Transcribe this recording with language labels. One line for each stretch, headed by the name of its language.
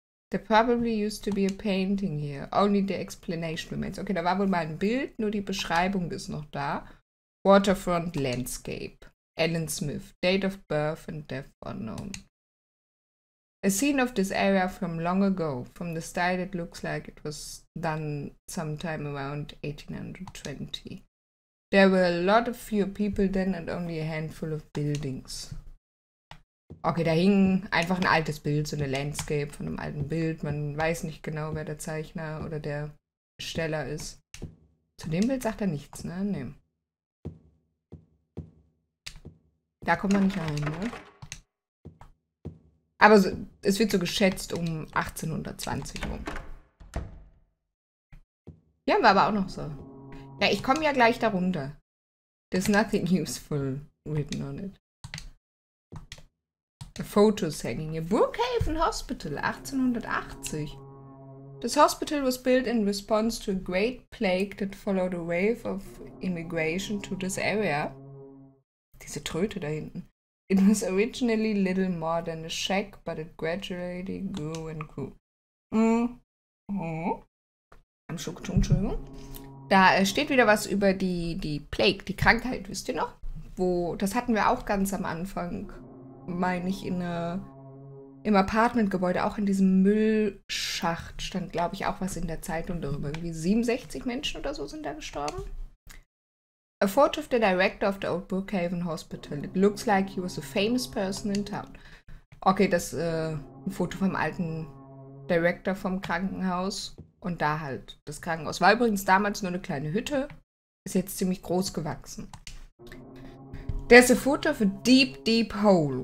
English: There probably used to be a painting here. Only the explanation remains.
German: Okay, da war wohl mal ein Bild, nur die Beschreibung ist noch da.
English: Waterfront landscape. Alan Smith. Date of birth and death unknown. A scene of this area from long ago. From the style it looks like it was done sometime around 1820. There were a lot of few people then and only a handful of buildings.
German: Okay, da hing einfach ein altes Bild, so eine Landscape von einem alten Bild. Man weiß nicht genau, wer der Zeichner oder der Steller ist. Zu dem Bild sagt er nichts, ne? Nee. Da kommt man nicht rein, ne? Aber so, es wird so geschätzt um 1820 rum. Hier haben wir aber auch noch so. Ja, ich komme ja gleich darunter.
English: There's nothing useful written on it. Photos hanging here. Brookhaven Hospital, 1880. This hospital was built in response to a great plague that followed a wave of immigration to this area.
German: Diese Tröte da hinten.
English: It was originally little more than a shack, but it gradually grew and grew.
German: Mm-hmm. Entschuldigung. Da steht wieder was über die Plague, die Krankheit, wisst ihr noch? Wo, das hatten wir auch ganz am Anfang, meine ich, im Apartmentgebäude, auch in diesem Müllschacht stand, glaube ich, auch was in der Zeitung darüber. Irgendwie 67 Menschen oder so sind da gestorben.
English: A photo of the director of the old Brookhaven Hospital. It looks like he was a famous person in town.
German: Okay, das ein Foto vom alten Director vom Krankenhaus. Und da halt das Krankenhaus. War übrigens damals nur eine kleine Hütte. Ist jetzt ziemlich groß gewachsen.
English: There's a photo of a deep, deep hole.